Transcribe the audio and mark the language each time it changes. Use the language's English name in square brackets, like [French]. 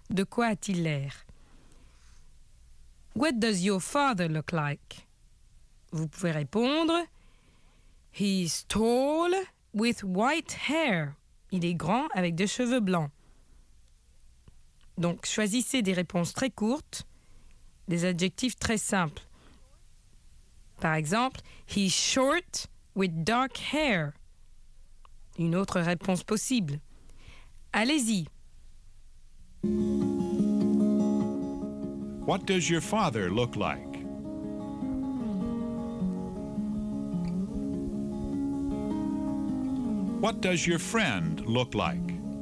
[French] De quoi a-t-il l'air ?« [English] What does your father look like ?» [French] Vous pouvez répondre, « [English] He's tall with white hair. [French] » Il est grand avec des cheveux blancs. Donc, choisissez des réponses très courtes, des adjectifs très simples. Par exemple, [English] he's short with dark hair. [French] Une autre réponse possible. Allez-y. [English] What does your father look like? What does your friend look like?